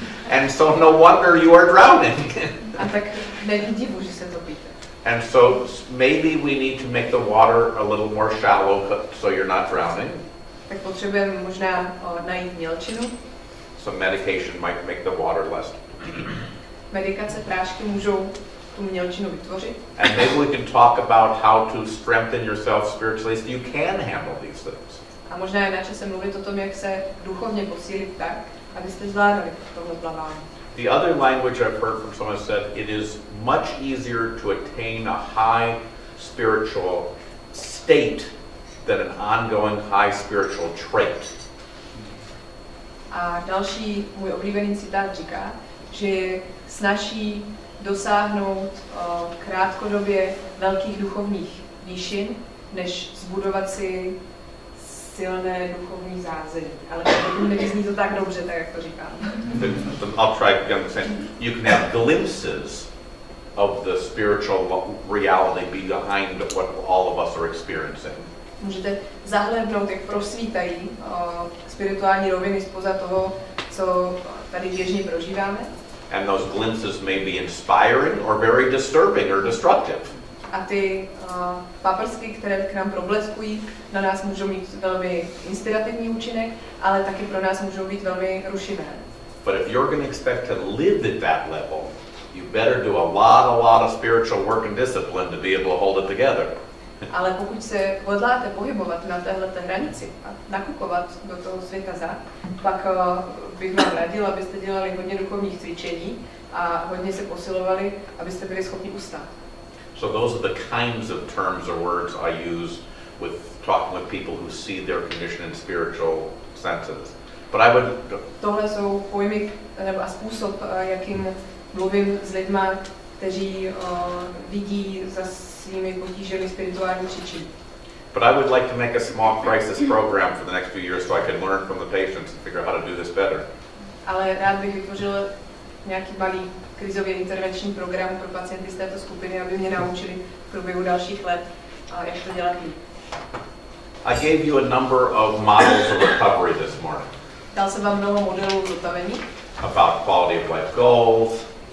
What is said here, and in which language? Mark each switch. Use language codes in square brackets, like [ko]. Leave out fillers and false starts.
[en] And so no wonder you are drowning. [cs] A tak není divu, že se topíte. [en] And so maybe we need to make the water a little more shallow so you're not drowning. [cs] Tak potřebujeme možná najít mělčinu. [en] Some medication might make the water less. [cs] Medikace, prášky můžou tu mělčinu vytvořit. [en] And maybe we can talk about how to strengthen yourself spiritually so you can handle these things. [cs] A možná je na čase mluvit o tom, jak se duchovně posílit tak, abyste zvládali tohle plavání. [en] The other language I've heard from someone said, it is much easier to attain a high spiritual state than an ongoing high spiritual trait. [cs] A další můj oblíbený citát říká, že je snaží dosáhnout krátkodobě velkých duchovních výšin, než zbudovat si silné duchovní zázemí. Ale nevyzní to tak dobře, tak jak to říkám. [en] I'll try again the same. You can have glimpses of the spiritual reality behind what all of us are experiencing. [cs] Můžete zahlédnout, jak prosvítají spirituální roviny spoza toho, co tady běžně prožíváme. [en] And those glimpses may be inspiring or very disturbing or destructive. [cs] A ty paprsky, které k nám probleskují, na nás můžou mít velmi inspirativní účinek, ale taky pro nás můžou být velmi rušivé. [en] But if you're going to expect to live at that level, you better do a lot of spiritual work and discipline to be able to hold it together. [cs] Ale pokud se hodláte pohybovat na téhleté hranici a nakukovat do toho světa zad, pak bych vám radil, abyste dělali hodně duchovních cvičení a hodně se posilovali, abyste byli schopni ustát. [en] So those are the kinds of terms or words I use with talking with people who see their condition in spiritual senses. But I would... [cs] Tohle jsou pojmy nebo způsob, jakým mluvím s lidma, kteří vidí za svými potížemi spirituální příčin. [en] But I would like to make a small crisis program for the next few years so I can learn from the patients and figure out how to do this better. [cs] Ale rád bych vytvořil nějaký malý krizový intervenční program pro pacienty z této skupiny, aby mě naučili v průběhu dalších let, jak to dělat líp. [en] I gave you a number of models of recovery this morning. [cs] Dal jsem vám mnoho modelů zotavení. [en] About quality of life goals.